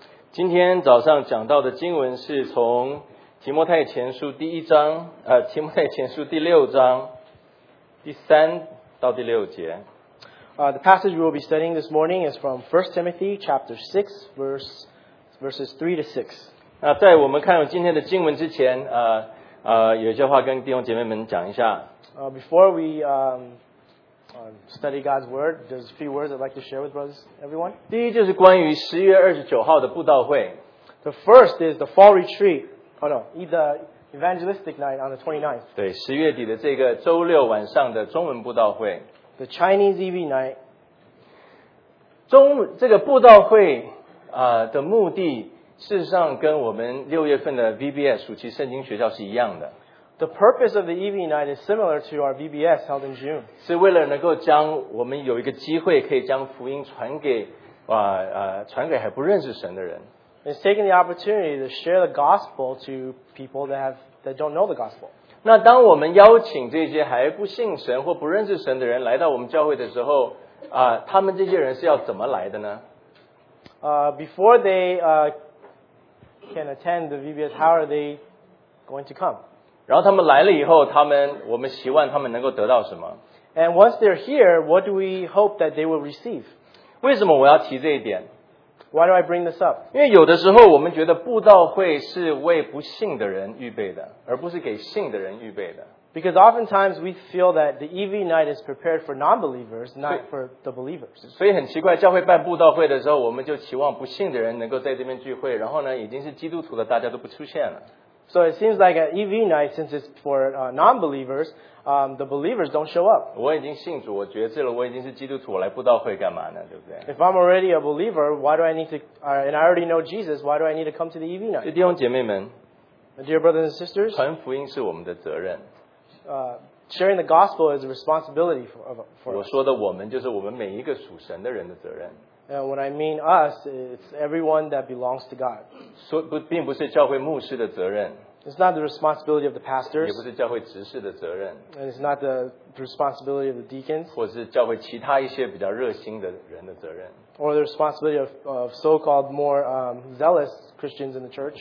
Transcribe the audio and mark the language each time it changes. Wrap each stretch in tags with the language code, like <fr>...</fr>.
<zh>今天早上讲到的经文是从提摩太前书第一章，提摩太前书第六章第三到第六节。</zh> <en>The passage we will be studying this morning is from 1 Timothy chapter 6, verses 3 to 6.</en> <zh>那在我们看到今天的经文之前，有一些话跟弟兄姐妹们讲一下。</zh> <en>Before we study God's word, there's a few words I'd like to share with brothers, everyone.</en> <zh>第一就是关于10月29号的布道会。</zh> <en>The first is the fall retreat. Oh no, the evangelistic night on the 29th.</en> <zh>对，十月底的这个周六晚上的中文布道会。</zh> <en>The Chinese EV night.</en> <zh>这个布道会的目的事实上跟我们六月份的 VBS 暑期圣经学校是一样的。</zh> <en>The purpose of the EV night is similar to our VBS held in June.</en> <zh>是为了能够将我们有一个机会可以将福音传给传给还不认识神的人。</zh> <en>It's taking the opportunity to share the gospel to people that don't know the gospel.</en> <zh>那当我们邀请这些还不信神或不认识神的人来到我们教会的时候，他们这些人是要怎么来的呢？</zh> <en>Before they can attend the VBS, how are they going to come?</en> <zh>然后他们来了以后，我们希望他们能够得到什么？</zh> <en>And once they're here, what do we hope that they will receive?</en> <zh>为什么我要提这一点？</zh> <en>Why do I bring this up?</en> <zh>因为有的时候我们觉得布道会是为不信的人预备的，而不是给信的人预备的。</zh> <en>Because oftentimes we feel that the EV night is prepared for non-believers, not for the believers.</en> <zh>所以很奇怪，教会办布道会的时候，我们就期望不信的人能够在这边聚会，然后呢，已经是基督徒的大家都不出现了。</zh> <en>So it seems like at EV night, since it's for non-believers, the believers don't show up.</en> <zh>我已经信主，我觉知了，我已经是基督徒，我来布道会干嘛呢？对不对</zh> <en>？If I'm already a believer, why do I need to? And I already know Jesus. Why do I need to come to the EV night?</en> <zh>弟兄姐妹们</zh> <en>，Dear brothers and sisters,</en> <zh>传福音是我们的责任。</zh> <en>Sharing the gospel is a responsibility for us.</en> <zh>我说的我们就是我们每一个属神的人的责任。</zh> <en>And when I mean us, it's everyone that belongs to God.</en> <zh>并不是教会牧师的责任。</zh> <en>It's not the responsibility of the pastors.</en> <zh>也不是教会执事的责任。</zh> <en>And it's not the responsibility of the deacons.</en> <zh>或是教会其他一些比较热心的人的责任。</zh> <en>Or the responsibility of so-called more zealous Christians in the church.</en>